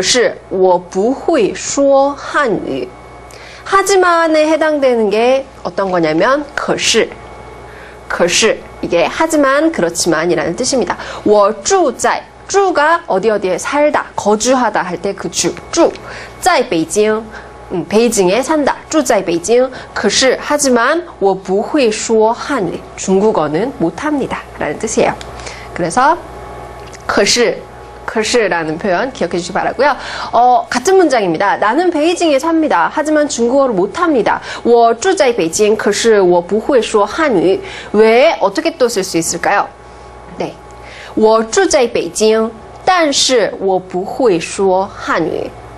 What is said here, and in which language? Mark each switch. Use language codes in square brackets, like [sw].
[zh] 可是我不会说汉语。我住在北京，可是我不会说汉语。 [ko] 하지만에 해당되는 게 어떤 거냐면 可是 이게 하지만 그렇지만이라는 뜻입니다. [zh] 我住在 [ko] 住가 어디 어디에 살다 거주하다 할 때 그 [zh] 住在北京 [ko] 베이징에 산다. [zh] 住在北京. 可是, [ko] 하지만, [zh] 我不会说汉语. [ko] 중국어는 못합니다. 라는 뜻이에요. 그래서, 可是, 可是라는 표현 기억해 주시기 바라고요. 같은 문장입니다. 나는 베이징에 삽니다. 하지만 중국어를 못합니다. [zh] 我住在北京.可是我不会说汉语. [ko] 왜, 어떻게 또 쓸 수 있을까요? 네. [zh] 我住在北京,但是我不会说汉语.